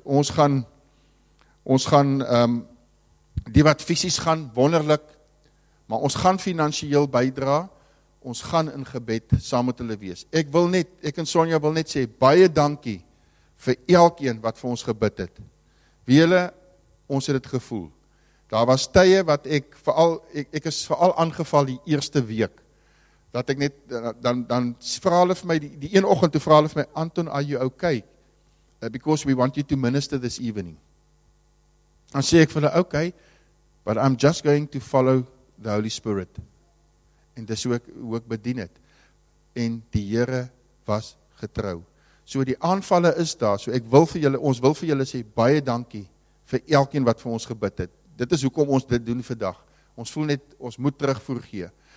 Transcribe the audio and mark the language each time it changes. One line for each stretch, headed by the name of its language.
Afrikaans: Ons gaan die wat fisies gaan, wonderlik, maar ons gaan finansieel bydra, ons gaan in gebed saam met hulle wees. Ek en Sonja wil net sê, baie dankie vir elkeen wat vir ons gebid het. Wie julle, ons het het gevoel. Daar was tye wat ek is vooral aangeval die eerste week, dat ek net, dan vraag hulle vir my, die een ochend toe vraag hulle vir my, Anton,
English: are you okay? Because we want you to minister this evening.
Afrikaans: Dan sê ek vir hulle,
English: okay, but I'm just going to follow the Holy Spirit.
Afrikaans: En dis hoe ek bedien het. En die Here was getrou. So die aanvalle is daar, so ons wil vir julle sê, baie dankie vir elkeen wat vir ons gebid het. Dit is hoekom ons dit doen vandag. Ons voel net, ons moet terugvoer gee.